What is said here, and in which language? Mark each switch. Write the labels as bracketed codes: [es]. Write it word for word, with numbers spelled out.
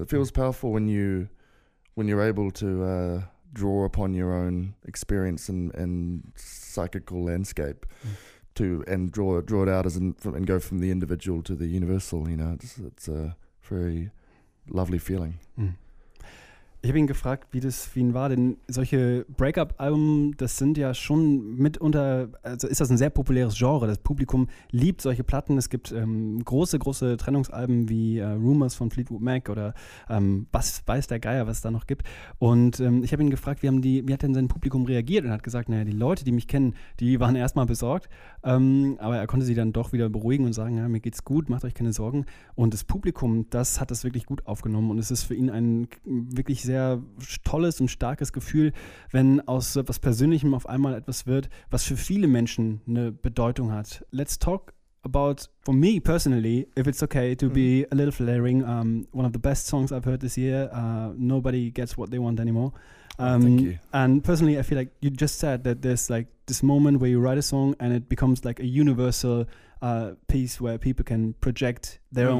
[en] It feels powerful when you when you're able to uh, draw upon your own experience and, and psychical landscape mm. to and draw draw it out as in, from, and go from the individual to the universal. You know, it's it's a very lovely feeling. Mm. [de] Ich habe ihn gefragt, wie das für ihn war, denn solche Breakup-Alben, das sind ja schon mitunter, also ist das ein sehr populäres Genre, das Publikum liebt solche Platten, es gibt ähm, große, große Trennungsalben wie äh, Rumors von Fleetwood Mac oder ähm, was weiß der Geier, was es da noch gibt, und ähm, ich habe ihn gefragt, wie, haben die, wie hat denn sein Publikum reagiert, und er hat gesagt, naja, die Leute, die mich kennen, die waren erstmal besorgt, ähm, aber er konnte sie dann doch wieder beruhigen und sagen, ja, mir geht's gut, macht euch keine Sorgen, und das Publikum, das hat das wirklich gut aufgenommen, und es ist für ihn ein wirklich sehr tolles und starkes Gefühl, wenn aus etwas Persönlichem auf einmal etwas wird, was für viele Menschen eine Bedeutung hat. [en] Let's talk about, for me personally, if it's okay to be a little flaring, um, one of the best songs I've heard this year, uh, Nobody Gets What They Want Anymore. Um, Thank you. And personally, I feel like you just said that there's like this moment where you write a song and it becomes like a universal uh, piece where people can project their mm.